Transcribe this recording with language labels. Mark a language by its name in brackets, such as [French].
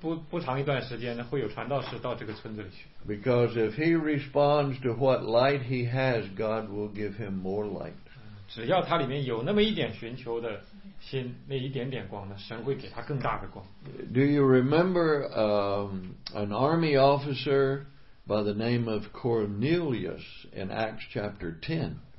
[Chinese] 我猜啊，过了不长一段时间，会有传道士到这个村子里去。 [English] Because if he responds to what light he has, God will give him more light. [Chinese] 只要他里面有那么一点寻求的心，那一点点光呢，神会给他更大的光。 [English] Do you remember an army officer by the name of Cornelius in Acts chapter 10?